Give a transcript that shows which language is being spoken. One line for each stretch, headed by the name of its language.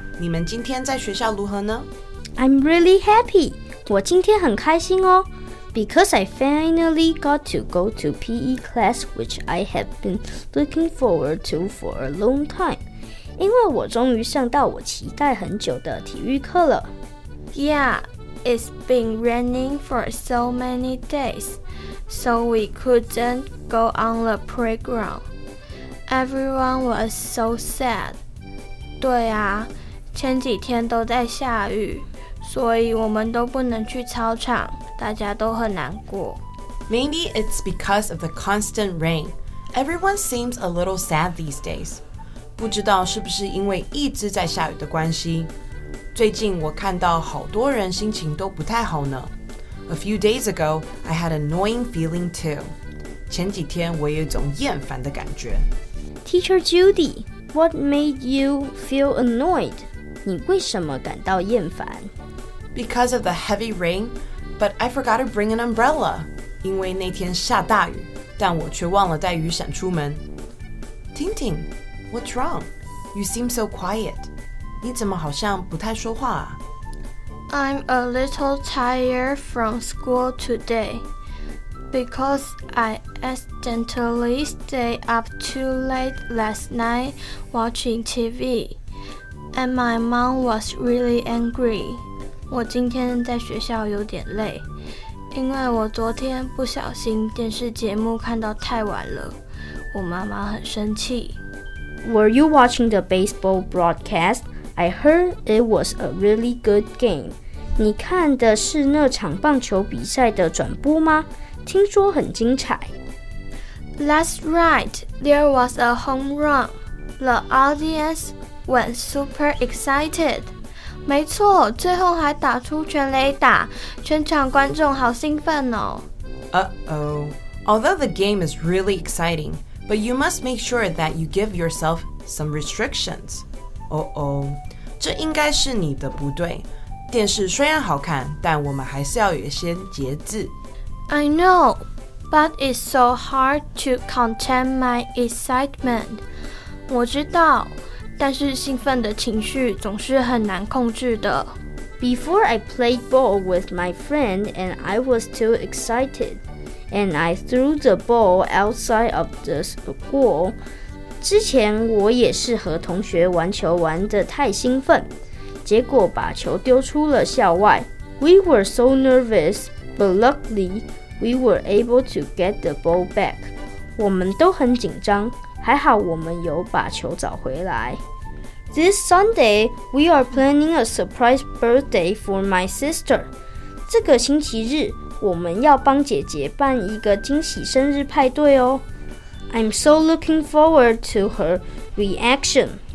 Chinese: 你们今天在学校如何呢？
English: I'm really happy。
Chinese: 我今天很开心哦。
English: Because I finally got to go to PE class, which I have been looking forward to for a long time.
Chinese: 因为我终于上到我期待很久的体育课了。
English: Yeah, it's been raining for so many days, so we couldn't go on the playground. Everyone was so sad.
Chinese: 对啊，前几天都在下雨，所以我们都不能去操场。大家都很难过。
English: Maybe it's because of the constant rain. Everyone seems a little sad these days.
Chinese: 不知道是不是因为一直在下雨的关系。最近我看到好多人心情都不太好呢。
English: A few days ago, I had an annoying feeling too.
Chinese: 前几天我有种厌烦的感觉。
English: Teacher Judy, what made you feel annoyed?
Chinese: 你为什么感到厌烦？
English: Because of the heavy rain,But I forgot to bring an umbrella.
Chinese: 因为那天下大雨，但我却忘了带雨伞出门。
English: Ting Ting, what's wrong? You seem so quiet.
Chinese: 你怎么好像不太说话啊？
English: I'm a little tired from school today. Because I accidentally stayed up too late last night watching TV. And my mom was really angry.
Chinese: 我今天在学校有点累，因为我昨天不小心电视节目看到太晚了，我妈妈很生气。
English: Were you watching the baseball broadcast? I heard it was a really good game.
Chinese: 你看的是那场棒球比赛的转播吗？听说很精彩。
English: That's right. There was a home run. The audience went super excited.
Chinese: 没错，最后还打出全垒打，全场观众好兴奋哦。
English: Uh-oh. Although the game is really exciting, but you must make sure that you give yourself some restrictions.
Chinese: Uh-oh. 这应该是你的不对。电视虽然好看，但我们还是要有一些节制。
English: I know, but it's so hard to contain my excitement.
Chinese: 我知道。但是兴奋的情绪总是很难控制的。
English: Before I played ball with my friend and I was too excited, and I threw the ball outside of the goal.
Chinese: 之前我也是和同学玩球玩得太兴奋，结果把球丢出了校外。
English: We were so nervous, but luckily we were able to get the ball back.
Chinese: 我们都很紧张。还好我们有把球找回来。
English: This Sunday, we are planning a surprise birthday for my sister.
Chinese: 这个星期日，我们要帮姐姐办一个惊喜生日派对哦。
English: I'm so looking forward to her reaction.